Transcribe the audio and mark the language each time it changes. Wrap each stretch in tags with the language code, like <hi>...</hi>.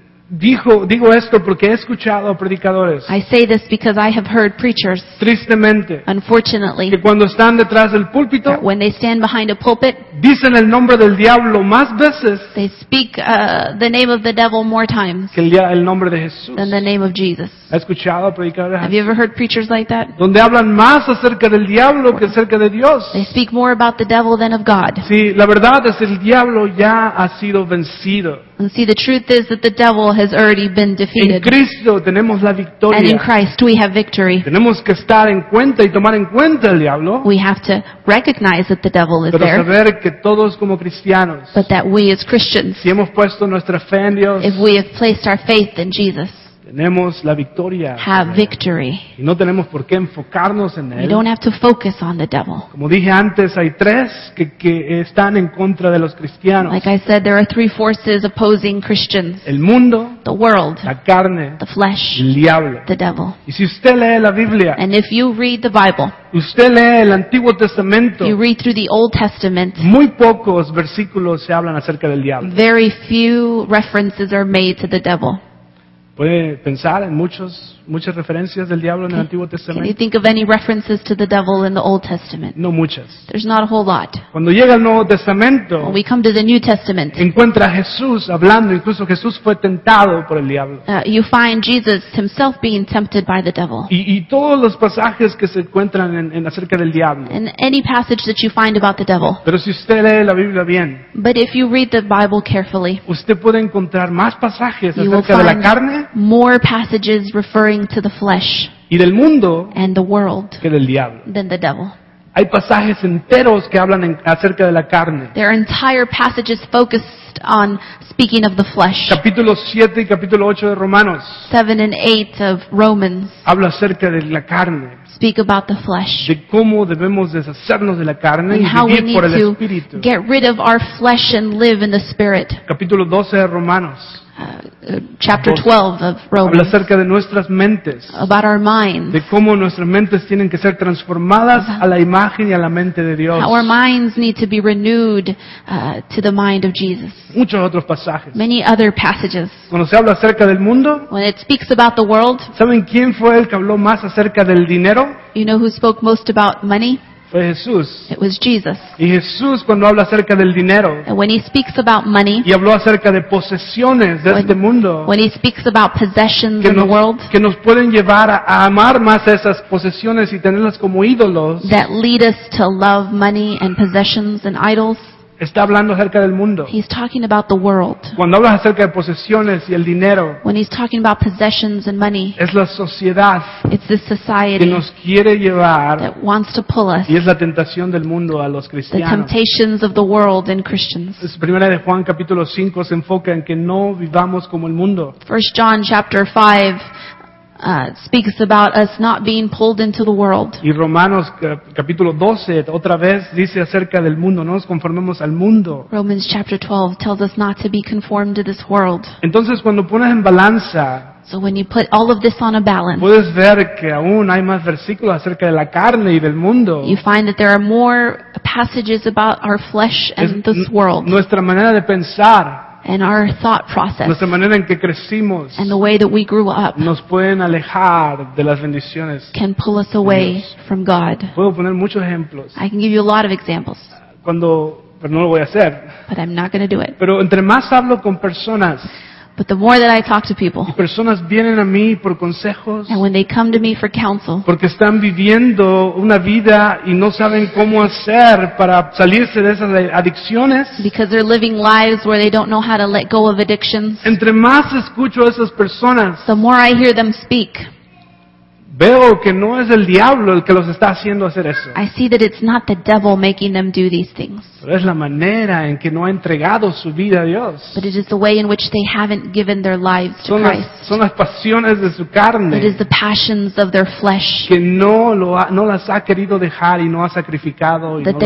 <es>Digo esto porque he escuchado a predicadores.</es> <en>I say this because I have heard preachers.</en> <es>Tristemente.</es> <en>Unfortunately.</en> <es>Que cuando están detrás del púlpito.</es> <en>When they stand behind a pulpit.</en> <es>Dicen el nombre del diablo más veces.</es> <en>They speak the name of the devil more times.</en> <es>Que el nombre de Jesús.</es> <en>Than the name of Jesus.</en> <es>¿Has escuchado a predicadores?</es> <en>Have you ever heard preachers like that?</en> <es>Donde hablan más acerca del diablo que acerca de Dios.</es> <en>They speak more about the devil than of God.</en> <es>Sí, la verdad es que el diablo ya ha sido vencido.</es> <en>And see, the truth is that the devil has already been defeated.</en> <es>En Cristo tenemos la victoria.</es> <en>And in Christ we have victory.</en> <es>Tenemos que estar en cuenta y tomar en cuenta el diablo.</es> <en>We have to recognize that the devil is there.</en> <es>Pero saber que todos como cristianos,</es> <en>but that we as Christians,</en> <es>si hemos puesto nuestra fe en Dios,</es> <en>if we have placed our faith in Jesus,</en> <es>tenemos la victoria.</es> <en>Have victory.</en> <es>Y no tenemos por qué enfocarnos en él.</es> <en>We don't have to focus on the devil.</en> <es>Como dije antes, hay tres que están en contra de los cristianos.</es> <en>Like I said, there are three forces opposing Christians.</en> <es>El mundo.</es> <en>The world.</en> <es>La carne.</es> <en>The flesh.</en> <es>El diablo.</es> <en>The devil.</en> <es>Y si usted lee la Biblia.</es> <en>And if you read the Bible.</en> <es>Usted lee el Antiguo Testamento.</es> <en>You read through the Old Testament.</en> <es>Muy pocos versículos se hablan acerca del diablo.</es> <en>Very few references are made to the devil.</en> <es>Puede pensar en muchas referencias del diablo en el Antiguo Testamento.</es> <en>Can you think of any references to the devil in the Old Testament?</en> <es>No muchas.</es> <en>There's not a whole lot.</en> <es>Cuando llega el Nuevo Testamento,</es> <en>when we come to the New Testament,</en> <es>encuentra a Jesús hablando, incluso Jesús fue tentado por el diablo.</es> <en>You find Jesus himself being tempted by the devil.</en> <es>Y todos los pasajes que se encuentran en acerca del diablo.</es> <en>And any passage that you find about the devil.</en> <es>Pero si usted lee la Biblia bien,</es> <en>but if you read the Bible carefully,</en> <es>usted puede encontrar más pasajes acerca de la carne.</es> <en>More passages referring to the flesh</en> <es>y del mundo</es> <en>and the world</en> <es>que del diablo</es> <en>than the devil.</en> <es>Hay pasajes enteros que hablan acerca de la carne.</es> <en>There are entire passages focused on speaking of the flesh.</en> <es>Capítulo 7 y capítulo 8 de Romanos.</es> <en>7 and 8 of Romans.</en> <es>Habla acerca de la carne.</es> <en>Speak about the flesh.</en> <es>De cómo debemos deshacernos de la carne</es> <en>and</en> <es>y vivir por el espíritu.</es> <en>How we get rid of our flesh and live in the spirit.</en> <es>Capítulo 12 de Romanos.</es> <en>Chapter 12 of Romans.</en> <es>Habla acerca de nuestras mentes.</es> <en>About our minds.</en> <es>De cómo nuestras mentes tienen que ser transformadas a la imagen y a la mente de Dios.</es> <en>How our minds need to be renewed to the mind of Jesus.</en> <es>Muchos otros pasajes.</es> <en>Many other passages.</en> <es>Cuando se habla acerca del mundo,</es> <en>when it speaks about the world,</en> <es>¿saben quién fue el que habló más acerca del dinero?</es> <en>You know who spoke most about money?</en> <es>Fue Jesús.</es> <en>It was Jesus.</en> <es>Y Jesús cuando habla acerca del dinero,</es> <en>and when he speaks about money,</en> <es>y habló acerca de posesiones de este mundo,</es> <en>when he speaks about possessions in the world,</en> <es>que nos pueden llevar a amar más esas posesiones y tenerlas como ídolos,</es> <en>that lead us to love money and possessions and idols.</en> <es>Está hablando acerca del mundo.</es> <en>He's talking about the world.</en> <es>Cuando hablas acerca de posesiones y el dinero,</es> <en>when he's talking about possessions and money,</en> <es>es la sociedad,</es> <en>it's the society</en> <es>que nos quiere llevar,</es> <en>that wants to pull us,</en> <es>y es la tentación del mundo a los cristianos.</es> <en>The temptations of the world in Christians.</en> <es>Primera de Juan capítulo 5 se enfoca en que no vivamos como el mundo.</es> <en>1 John chapter 5 speaks about us not being pulled into the world.</en> <es>Y Romanos capítulo 12 otra vez dice acerca del mundo, no nos conformemos al mundo.</es> <en>Romans chapter 12 tells us not to be conformed to this world.</en> <es>Entonces cuando pones en balanza,</es> <en>so when you put all of this on a balance,</en> <es>puedes ver que aún hay más versículos acerca de la carne y del mundo.</es> <en>You find that there are more passages about our flesh and this world.</en> <es>Nuestra manera de pensar</es> <en>and our thought process,</en> <es>nuestra manera en que crecimos,</es> <en>and the way that we grew up,</en> <es>nos pueden alejar de las bendiciones,</es> <en>can pull us away from God.</en> <es>Puedo poner muchos ejemplos.</es> <en>I can give you a lot of examples.</en> <es>Cuando, pero no lo voy a hacer.</es> <en>But I'm not going to do it.</en> <es>Pero entre más hablo con personas,</es> <en>but the more that I talk to people,</en> <es>y personas vienen a mí por consejos,</es> <en>and when they come to me for counsel,</en> <es>porque están viviendo una vida y no saben cómo hacer para salirse de esas adicciones,</es> <en>because they're living lives where they don't know how to let go of addictions,</en> <es>entre más escucho a esas personas,</es> <en>the more I hear them speak,</en> <es>veo que no es el diablo el que los está haciendo hacer eso.</es> <en>I see that it's not the devil making them do these things.</en> <es>Pero es la manera en que no ha entregado su vida a Dios.</es> <en>But it is the way in which they haven't given their lives to Christ.</en> <es>Son las pasiones de su carne.</es> <en>It is the passions of their flesh.</en> <es>Que no las ha querido dejar y no ha sacrificado y no las ha</es>